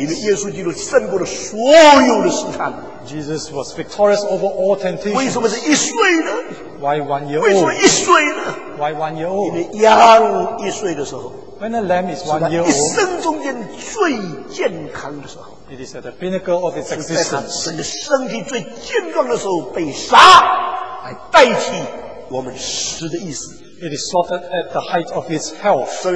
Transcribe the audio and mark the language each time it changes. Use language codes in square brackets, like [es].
[zh] 因为耶稣基督胜过了所有的试探。 [en] Jesus was victorious over all temptations. [zh] 为什么是一岁呢? [en] Why 1 year old? [zh] 为什么一岁呢? [en] Why 1 year old? [zh] 因为羊一岁的时候, [en] when a lamb is 1 year old, [zh] 一生中间最健康的时候, [en] it is at the pinnacle of its existence. [zh] 整个身体最健壮的时候被杀来代替。 [en] It is slaughtered at the height of his health.